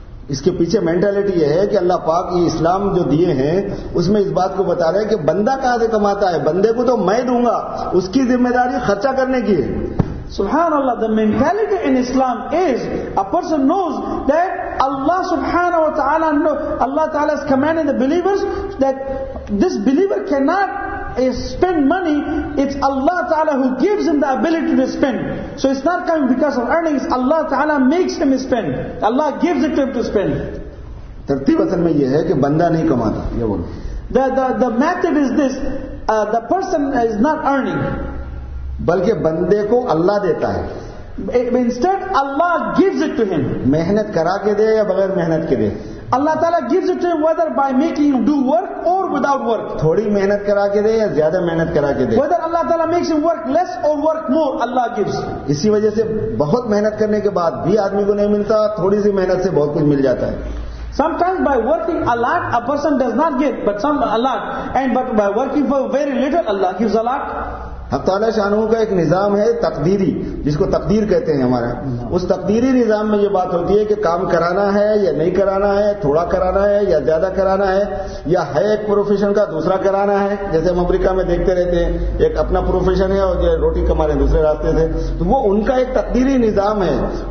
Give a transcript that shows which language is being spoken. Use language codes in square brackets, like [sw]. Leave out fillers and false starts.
[hi] इसके पीछे मेंटेलिटी यह है कि अल्लाह पाक ये इस्लाम जो दिए हैं उसमें इस बात को बता रहे हैं कि बंदा कहां से कमाता है, बंदे को तो मैं दूंगा, उसकी जिम्मेदारी खर्चा करने की है. [en] Subhanallah, the mentality in Islam is a person knows that Allah subhanahu wa ta'ala, Allah ta'ala has commanded the believers that this believer cannot spend money, it's Allah ta'ala who gives him the ability to spend. So it's not coming because of earnings, Allah ta'ala makes him spend. Allah gives it to him to spend. [hi] Tartib asal mein ye hai ki banda nahi kamata, ye bolo. [en] The method is this, the person is not earning. [hi] बल्कि बंदे को अल्लाह देता है. [en] Instead, Allah gives it to him. [hi] मेहनत करा के दे या बगैर मेहनत के दे. [en] Allah Taala gives it to him whether by making him do work or without work. [hi] थोड़ी मेहनत करा के दे या ज्यादा मेहनत करा के दे. [en] Whether Allah Taala makes him work less or work more, Allah gives. [hi] इसी वजह से बहुत मेहनत करने के बाद भी आदमी को नहीं मिलता, थोड़ी सी मेहनत से बहुत कुछ मिल जाता है. [en] Sometimes by working a lot, a person does not get, but some a lot. But by working for very little, Allah gives a lot. [hi] अब ताला शानों का एक निजाम है तकदीरी, जिसको तकदीर कहते हैं हमारा. उस तकदीरी निजाम में ये बात होती है कि काम कराना है या नहीं कराना है, थोड़ा कराना है या ज्यादा कराना है, या है एक प्रोफेशन का दूसरा कराना है. जैसे हम अमरीका में देखते रहते हैं, एक अपना प्रोफेशन है और ये रोटी कमा रहे दूसरे रास्ते से, तो वो उनका एक तकदीरी निजाम है.